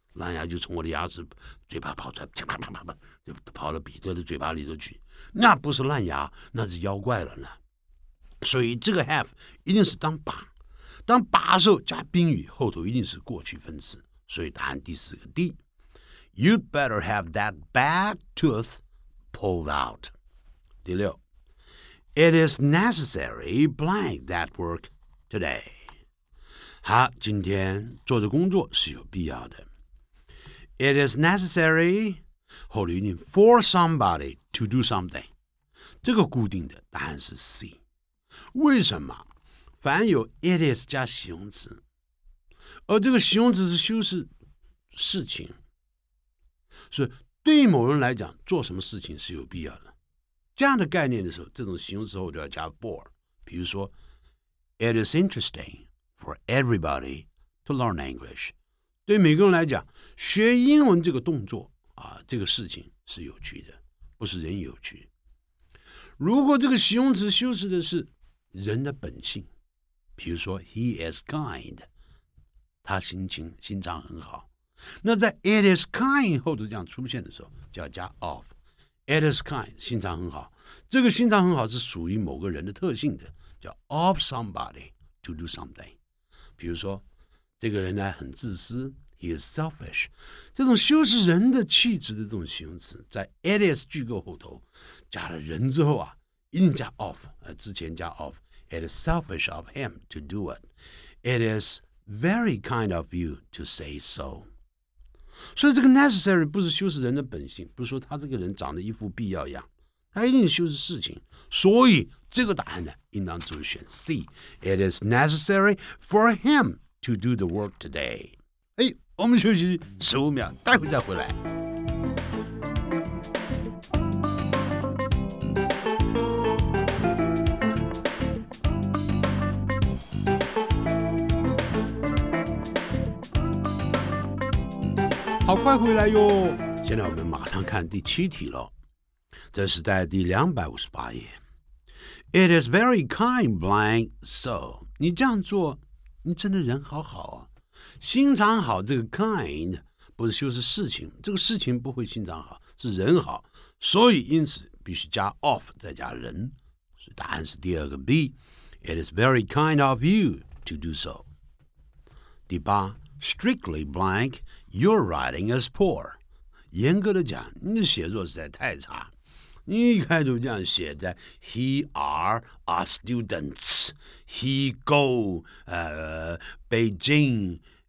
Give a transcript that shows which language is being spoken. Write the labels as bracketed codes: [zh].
[zh] 烂牙就从我的牙齿嘴巴跑出来，啪啪啪啪，就跑到彼得的嘴巴里头去。那不是烂牙，那是妖怪了呢。所以这个 have 一定是当把，当把手加宾语，后头一定是过去分词。所以答案第四个 D。 [en] You'd better have that bad tooth pulled out。 [zh] 第六 [en] ，It is necessary blank that work today。 [zh] 好，今天做的工作是有必要的。 [en] It is necessary, [zh] 后来一定 [en] for somebody to do something. [zh] 这个固定的答案是 C. 为什么？凡有 it is 加形容词，而这个形容词是修饰事情，所以对某人来讲做什么事情是有必要的。这样的概念的时候，这种形容词后就要加 for. 比如说 [en] ，It is interesting for everybody to learn English. [zh] 对每个人来讲。学英文这个动作啊，这个事情是有趣的，不是人有趣。如果这个形容词修饰的是人的本性，比如说 [en] he is kind， [zh] 他心肠很好，那在 it is kind 后头这样出现的时候，就要加 of。 [en] it is kind， [zh] 心肠很好，这个心肠很好是属于某个人的特性的，叫 [en] of somebody to do something。 [zh] 比如说，这个人呢很自私。 [en] He is selfish. [zh] 这种修饰人的气质的这种形容词，在 it is 句构后头加了人之后啊，一定加 of， 之前加 of。 [en] It is selfish of him to do it. It is very kind of you to say so. [zh] 所以这个 necessary 不是修饰人的本性，不是说他这个人长得一副必要样，他一定修饰事情。所以这个答案呢，应当就是选 C。 [en] It is necessary for him to do the work today. 哎。 [zh] 我们休息15秒，待会再回来。好，快回来哟！现在我们马上看第七题了，这是在第258页。 [en] It is very kind, blank. [zh] So， 你这样做，你真的人好好啊。心肠好，这个 kind 不是修饰事情，这个事情不会心肠好，是人好，所以因此必须加 of 再加人，所以答案是第二个 B。 [en] It is very kind of you to do so。 [zh] 第八 [en] ，strictly blank， your writing is poor。 [zh] 严格的讲，你的写作实在太差。你一开头这样写的 [en] ，He are a students， he go Beijing。